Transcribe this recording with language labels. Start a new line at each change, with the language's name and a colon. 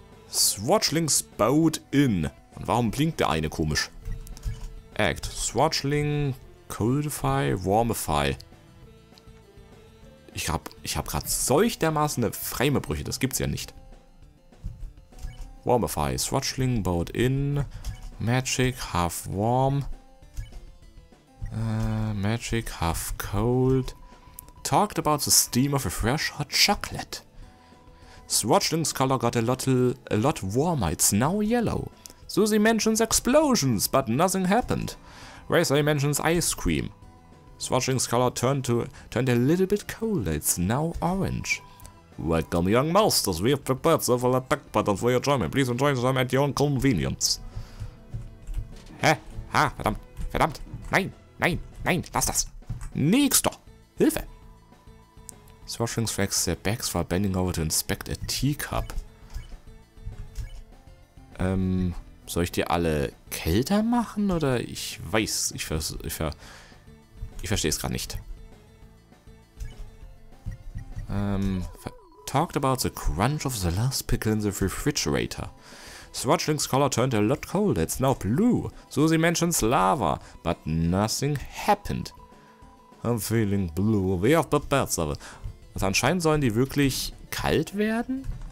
English: Swatchlings bowed in.
German: Und warum blinkt der eine komisch? Act.
English: Swatchling, Coldify, Warmify.
German: Ich hab grad solch dermaßen eine Framebrüche, das gibt's ja nicht.
English: Warmify, Swatchling, Boat in, Magic, Half Warm, Magic, Half Cold, Talked about the steam of a fresh hot chocolate. Swatchling's color got a lot warmer, it's now yellow. Susie mentions explosions, but nothing happened. Razor mentions ice cream. Swatchling's color turned a little bit colder. It's now orange. Welcome, young masters. We have prepared several attack patterns for your enjoyment. Please enjoy them at your own convenience.
German: Hä? Ha, verdammt. Verdammt. Nein. Nein. Nein. Lass das. Nächster. Hilfe.
English: Swatchling's flex their backs while bending over to inspect a teacup.
German: Soll ich die alle kälter machen oder ich weiß, ich verstehe es gerade nicht.
English: Talked about the crunch of the last pickle in the refrigerator. Swatchling's color turned a lot colder, it's now blue. Susie mentions lava, but nothing happened. I'm feeling blue, we have prepared some.
German: Also anscheinend sollen die wirklich kalt werden?